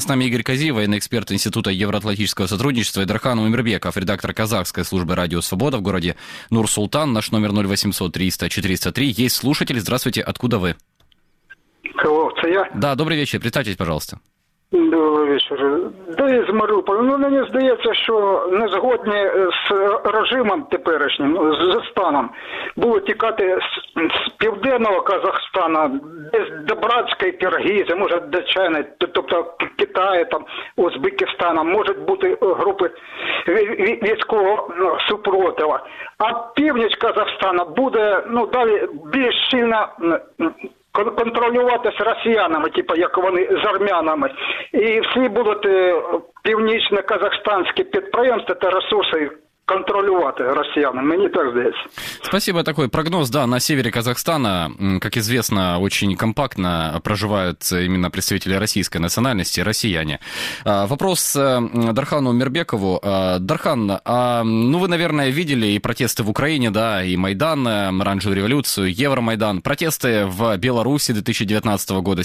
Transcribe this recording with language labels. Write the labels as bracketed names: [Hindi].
[Russian] С нами Игорь Козиев, военный эксперт Института Евроатлантического сотрудничества, и Дархан Умербеков, редактор казахской службы «Радио Свобода» в городе Нур-Султан. Наш номер 0800-300-403. Есть слушатели. Здравствуйте. Откуда вы? Крыловцы, я. Да, добрый вечер. Представьтесь, пожалуйста. Добрый вечер. Да из Маріуполя. [Ukrainian] Ну, мені здається, що не згодні з режимом теперішнім, з станом, будуть тікати з південного Казахстана, десь до братської Киргизії, може до Чайни, тобто Китаю, там, Узбекистана, можуть бути групи військового супротива. А північ Казахстана буде, ну, далі більш сильно контролюватися росіянами, типу, як вони з армянами. І всі будуть північно-казахстанські підприємства та ресурси контролювати росіянами. Мені так здається. [Russian] Спасибо. Такой прогноз, да, на севере Казахстана, как известно, очень компактно проживают именно представители российской национальности, россияне. Вопрос Дархану Мирбекову. Дархан, ну вы, наверное, видели и протесты в Украине, да, и Майдан, оранжевую революцию, Евромайдан, протесты в Беларуси 2019 года.